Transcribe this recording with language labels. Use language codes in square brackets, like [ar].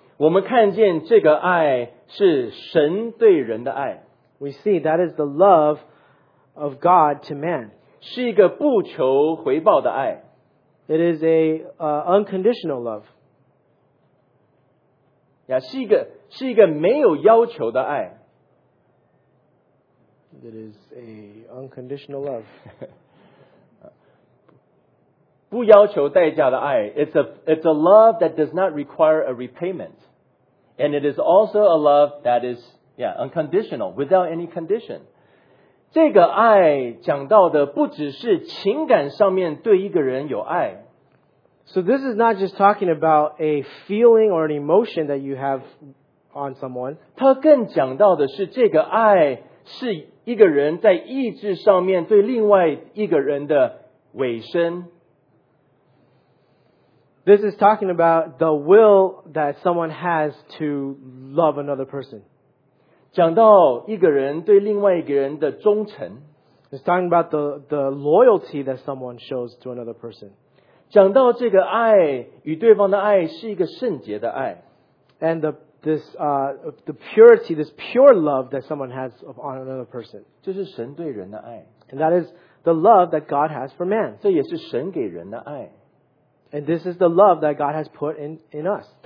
[zh] 我们看见这个爱是神对人的爱。 [en] We see that is the love of God to man. [zh] 是一个不求回报的爱。 [en] It is a unconditional love. [zh] Yeah, 是一个没有要求的爱。 [en] It is a unconditional love. [zh] 不要求代价的爱。 [en] It's a love that does not require a repayment. And it is also a love that is, yeah, unconditional, without any condition. [zh] 这个爱讲到的不只是情感上面对一个人有爱。 [en] So this is not just talking about a feeling or an emotion that you have on someone. [zh] 他更讲到的是这个爱是一个人在意志上面对另外一个人的委身。 [en] This is talking about the will that someone has to love another person. [zh] 讲到一个人对另外一个人的忠诚。 [en] It's talking about the loyalty that someone shows to another person. [zh] 讲到这个爱与对方的爱是一个圣洁的爱。 [en] And the purity, this pure love that someone has on another person. [zh] 这是神对人的爱。 [en] And that is the love that God has for man. [zh] 这也是神给人的爱。 [en] And this is the love that God has put in us.